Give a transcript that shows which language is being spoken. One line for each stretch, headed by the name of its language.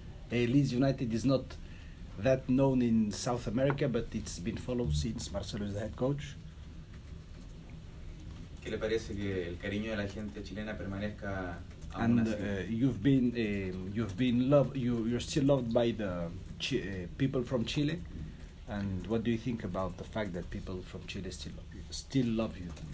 English: Leeds United is not that known in South America, but it's been followed since Marcelo is the head coach.
Spanish: ¿Qué le parece que el cariño de la gente chilena permanezca aún así?
English: And you've been loved, you're still loved by the people from Chile. And what do you think about the fact that people from Chile still love you?